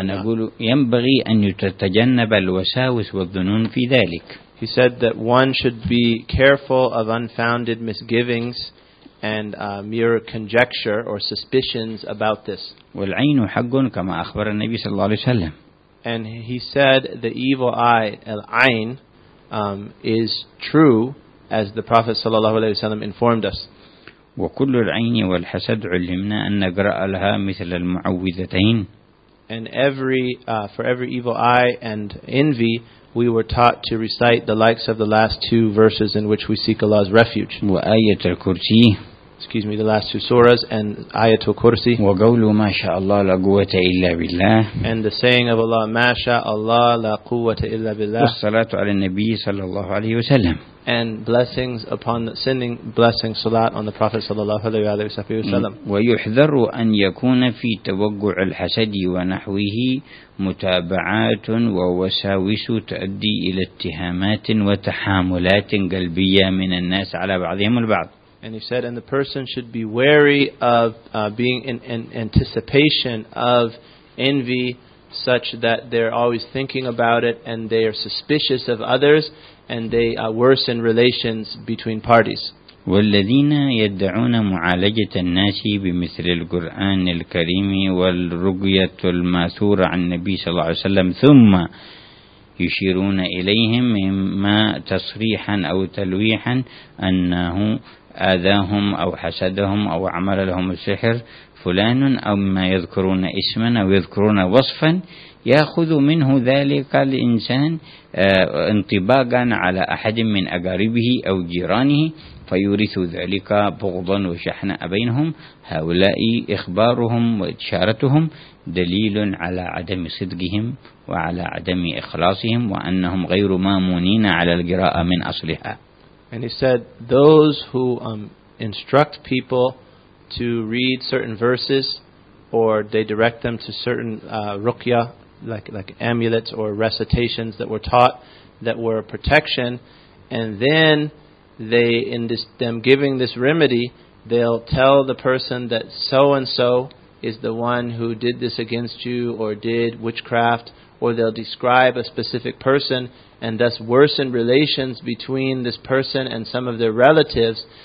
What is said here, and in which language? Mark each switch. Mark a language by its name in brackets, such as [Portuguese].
[Arabic] ونقول ينبغي أن يتجنب الوساوس والظنون في ذلك. [English] He said that one should be careful of unfounded misgivings and mere conjecture or suspicions about this. [Arabic] والعين حق كما أخبر النبي صلى الله عليه وسلم. [English] And he said the evil eye, al-ayn, is true as the Prophet sallallahu alayhi wa sallam informed us. [Arabic] وكل العين والحسد علمنا أن نقرأ لها مثل المعوذتين. [English] And for every evil eye and envy, we were taught to recite the likes of the last two verses in which we seek Allah's refuge. [Arabic] وآية الكرسي. [English] Excuse me, the last two surahs and Ayatul Kursi. [Arabic] وَقَوْلُ مَا شَاءَ اللَّهُ لَا قُوَّةَ إِلَّا بِاللَّهِ. [English] And the saying of Allah, [Arabic] مَا شَاءَ اللَّهُ لَا قُوَّةَ إِلَّا بِاللَّهِ. وَالصَّلَاةُ عَلَى النَّبِيِّ صَلَّى اللَّهُ عَلَيْهِ وَسَلَّمَ. [English] And blessings upon sending salat on the Prophet sallallahu alayhi wa sallam. [Arabic] وَيُحْذَرُ أَن يَكُونَ فِي تَوَقُّعِ الْحَسَدِ وَنَحْوِهِ مُتَابَعَاتٌ وَوَسَاوِسُ تَؤَدِّي إِلَى اتِّهَامَاتٍ وَتَحَامُلَاتٍ قَلْبِيَّةٍ مِنَ النَّاسِ عَلَى بَعْضِهِمُ الْبَعْضِ. [English] And he said, and the person should be wary of being in anticipation of envy, such that they're always thinking about it, and they are suspicious of others, and they worsen relations between parties. [Arabic] وَالَّذِينَ يَدَّعُونَ مُعَالَجَةَ النَّاسِ بِمِثْلِ الْقُرْآنِ الْكَرِيمِ وَالرُّقْيَةُ الْمَأْثُورَ عَنِ النَّبِيِّ صَلَّى اللَّهُ عَلَيْهِ وَسَلَّمَ ثُمَّ يُشِيرُونَ إِلَيْهِمْ إِمَّا تَصْرِيحًا أَوْ تَلْوِيحًا أَنَّهُ آذاهم أو حسدهم أو عمل لهم السحر فلان أو ما يذكرون اسما أو يذكرون وصفا يأخذ منه ذلك الإنسان انطباقا على أحد من أقاربه أو جيرانه فيورث ذلك بغضا وشحنا بينهم. هؤلاء إخبارهم وإشارتهم دليل على عدم صدقهم وعلى عدم إخلاصهم وأنهم غير مامونين على القراءة من أصلها. [English] And he said, those who instruct people to read certain verses, or they direct them to certain ruqya, like amulets or recitations that were taught that were a protection, and then they, in this, them giving this remedy, they'll tell the person that so-and-so is the one who did this against you or did witchcraft, or they'll describe a specific person and thus worsen relations between this person and some of their relatives.